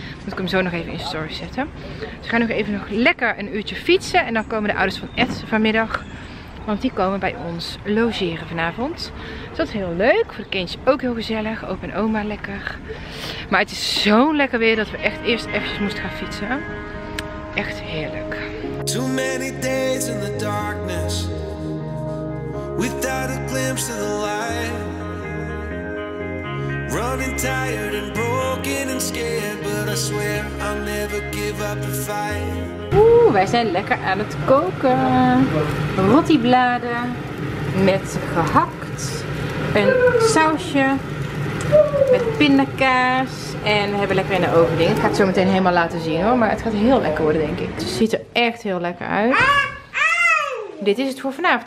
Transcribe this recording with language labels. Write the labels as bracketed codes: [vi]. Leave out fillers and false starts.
[nl] Moet ik hem zo nog even in story zetten. Dus we gaan nog even nog lekker een uurtje fietsen. En dan komen de ouders van Ed vanmiddag. Want die komen bij ons logeren vanavond. Dus dat is heel leuk. Voor de kindjes ook heel gezellig. Opa en oma lekker. Maar het is zo lekker weer dat we echt eerst eventjes moesten gaan fietsen. Echt heerlijk. [en] Too many days in the darkness, without a glimpse of the light. Running tired and broken and scared, but I swear I'll never give up the fight. [nl] Oeh, wij zijn lekker aan het koken. Rottibladen met gehakt. Een sausje met pindakaas. En we hebben lekker in de oven dingen. Ik ga het zo meteen helemaal laten zien hoor. Maar het gaat heel lekker worden, denk ik. Het ziet er echt heel lekker uit. Dit is het voor vanavond.